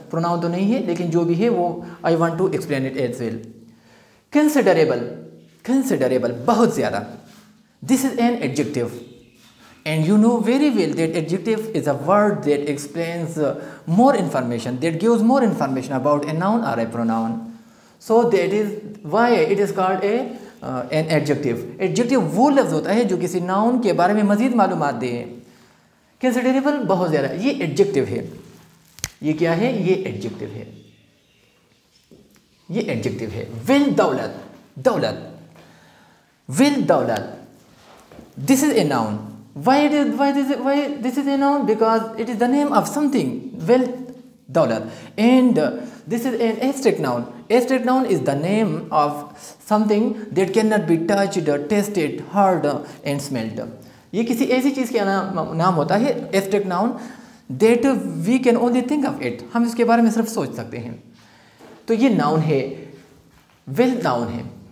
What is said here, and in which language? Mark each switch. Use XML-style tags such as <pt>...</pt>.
<ur>Pronoun تو نہیں ہے لیکن جو بھی ہے وہ</ur> <en>I want to explain it as well.</en> <ur>Considerable. Considerable بہت زیادہ.</ur> <en>This is an adjective and you know very well that adjective is a word that explains more information that gives more information about a noun or a pronoun. So that is why it is called a an adjective.</en> <ur>Adjective وہ لفظ ہوتا ہے جو کسی noun کے بارے میں مزید معلومات دے. کنسیڈریبل بہت زیادہ یہ ایڈجیکٹیو ہے. یہ کیا ہے؟ یہ ایڈجیکٹیو ہے. یہ ایڈجیکٹیو ہے. ویل دولت. دولت. ویل دولت.</ur> <en>This is a noun. Why this is a noun because it is the name of something well دولت and this is an abstract noun. Abstract noun is the name of something that can not be touched tasted heard and smelled.</en> <ur>یہ کسی ایسی چیز کے نام ہوتا ہے ایسٹرک noun</ur> <en>That we can only think of it.</en> <ur>ہم اس کے بارے میں صرف سوچ سکتے ہیں. تو یہ ناؤن ہے. ویل ناؤن ہے.</ur>